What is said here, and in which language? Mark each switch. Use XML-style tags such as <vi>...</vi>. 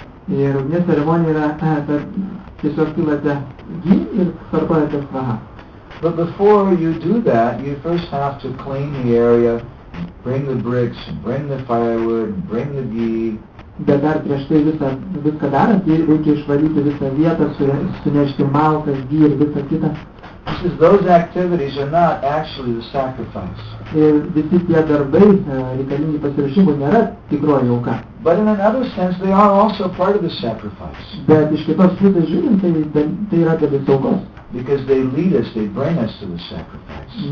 <en>But before you do that, you first have to clean the area, bring the bricks, bring the firewood, bring the ghee.</en> <lt>Bet dar prieš tai viską darant, reikia išvalyti visą vietą, sunešti malkas, ghee ir visą kitą.</lt> <en>Because those activities are not actually the sacrifice.</en> <lt>Ir visi tie darbai, reikalingi pasiruošimui, nėra tikroji auka.</lt> <en>But in another sense, they are also part of the sacrifice.</en> <lt>Bet iš kitos pusės žiūrint, tai yra dalis aukos.</lt> <en>Because they lead us, they bring us to the sacrifice.</en>